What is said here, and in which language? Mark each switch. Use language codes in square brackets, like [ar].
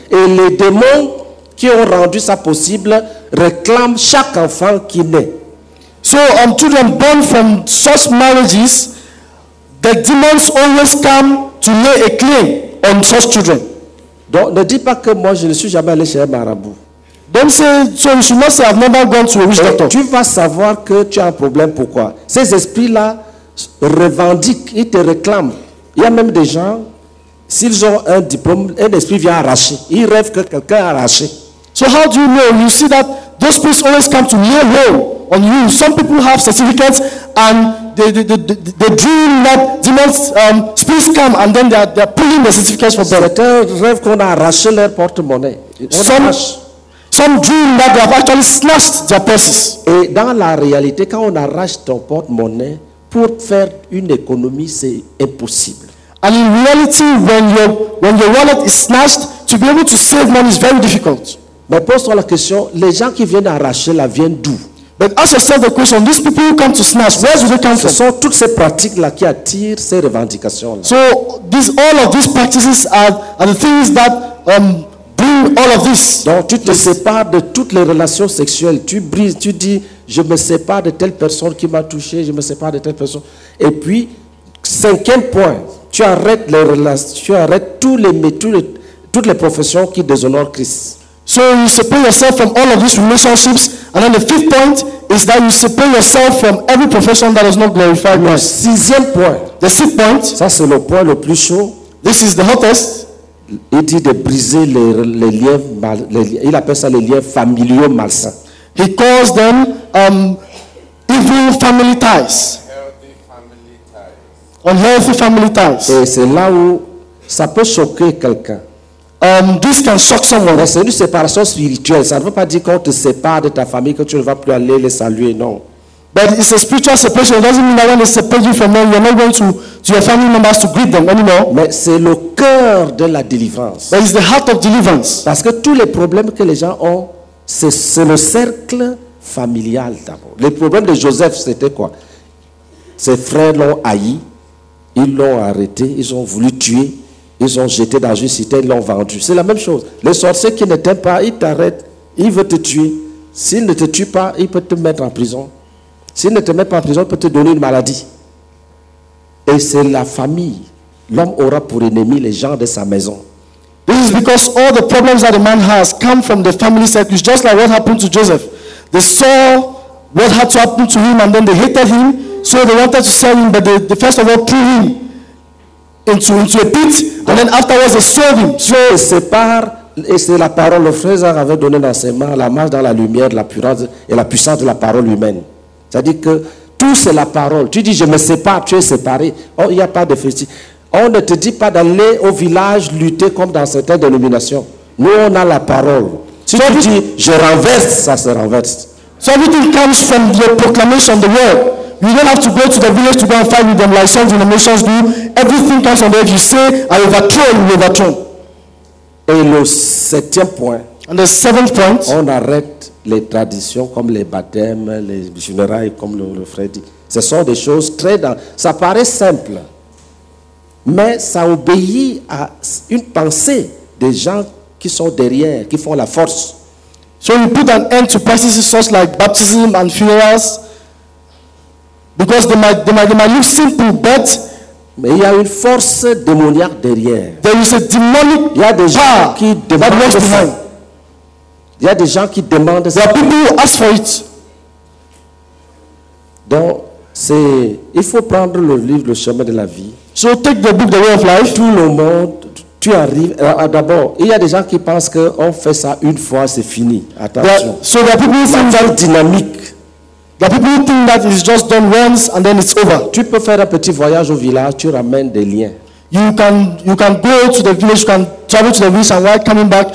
[fr] Et les démons qui ont rendu ça possible réclament chaque enfant qui naît. [en] So, children born from such marriages, the demons always come to lay a claim on such children. [fr] Donc, ne dis pas que moi, je ne suis jamais allé chez un marabout. [en] Don't say, so you should not say, I've never gone to a witch doctor. [fr] Tu vas savoir que tu as un problème, pourquoi. Ces esprits-là revendiquent, ils te réclament. Il y a même des gens, s'ils ont un diplôme, un esprit vient arracher. Il rêve que quelqu'un a arraché. [en] So how do you know? You see that those priests always come to lay hold on you. Some people have certificates and they dream that demons, spirits come and then they are pulling the certificates for them. [fr] Certains rêvent qu'on a arraché leur porte-monnaie. [en] Some dream that they have actually snatched their purses. [fr] Et dans la réalité, quand on arrache ton porte-monnaie pour faire une économie, c'est impossible. [en] And in reality, when your wallet is snatched, to be able to save money is very difficult. [fr] Mais pose-toi la question, les gens qui viennent arracher là viennent d'où? [en] But ask yourself the question, these people who come to snatch, where do they come from? [fr] Ce sont toutes ces pratiques-là qui attirent ces revendications-là. [en] So all of these practices are the things that bring all of this. [fr] Donc tu te sépares de toutes les relations sexuelles, tu brises, tu dis, je me sépare de telle personne qui m'a touché, je me sépare de telle personne. Et puis, cinquième point, tu arrêtes les relations, tu arrêtes toutes les professions qui déshonorent Christ. [en] So you separate yourself from all of these relationships. And then the fifth point is that you separate yourself from every profession that does not glorify God. [fr] Sixième point. [en] The sixth point. [fr] Ça c'est le point le plus chaud. [en] This is the hottest. [fr] Il dit de briser les liens mal. Il appelle ça les liens familiaux malsains. [en] He calls them evil family ties. Unhealthy family ties. [fr] Et c'est là où ça peut choquer quelqu'un. [en] This can shock someone. [fr] Mais c'est une séparation spirituelle. Ça ne veut pas dire qu'on te sépare de ta famille que tu ne vas plus aller les saluer, non. [en] But it's a spiritual separation. It doesn't mean that when they separate you from them, you're not going to your family members to greet them anymore. [fr] Mais c'est le cœur de la délivrance. [en] But it's the heart of deliverance. [fr] Parce que tous les problèmes que les gens ont, c'est le cercle familial d'abord. Les problèmes de Joseph, c'était quoi? Ses frères l'ont haï. Ils l'ont arrêté, ils ont voulu tuer, ils ont jeté dans une cité, ils l'ont vendu. C'est la même chose. Le sorcier qui ne t'aime pas, il t'arrête, il veut te tuer. S'il ne te tue pas, il peut te mettre en prison. S'il ne te met pas en prison, il peut te donner une maladie. Et c'est la famille. L'homme aura pour ennemi les gens de sa maison. [en] This is because all the problems that a man has come from the family circle. Just like what happened to Joseph. They saw what had to happen to him and then they hated him. So they wanted to sell him, but they first of all threw him into a pit, and then afterwards they sold him. So [fr] et c'est par et c'est la parole. Le frère avait donné dans ses mains la marche dans la lumière, la puissance et la puissance de la parole humaine. C'est-à-dire que tout c'est la parole. Tu dis je me sépare, tu es séparé. Oh, il y a pas de festi. On ne te dit pas d'aller au village lutter comme dans certaines dénominations. Nous on a la parole. Si tu dis je renverse, ça se renverse. [en] So everything comes from the proclamation of the word. You don't have to go to the village to go and fight with them like some denominations do. Everything comes from there. If you say, I overthrow, you overthrow. [fr] Et le septième point. [en] And the seventh point. [fr] On arrête les traditions comme les baptêmes, les funérailles, comme le frère dit. Ce sont des choses très... Ça paraît simple. Mais ça obéit à une pensée des gens qui sont derrière, qui font la force. [en] So you put an end to practices such like baptism and funerals. Because they might look simple, but [fr] mais il y a une force démoniaque derrière. [en] There is a demonic power. [fr] Il y a des gens qui demandent ça. Il y a des gens qui demandent ça. [en] There are people who ask for it. [fr] Donc c'est il faut prendre le livre Le Chemin de la Vie. [en] So take the book The Way of Life. [fr] Tout le monde, tu arrives. D'abord, il y a des gens qui pensent que on fait ça une fois, c'est fini. Attention. [en] So there are people who think that dynamique. The people think that it's just done once and then it's over. [fr] Tu peux faire un petit voyage au village, tu ramènes des liens. [en] You can go to the village, you can travel to the village and while coming back,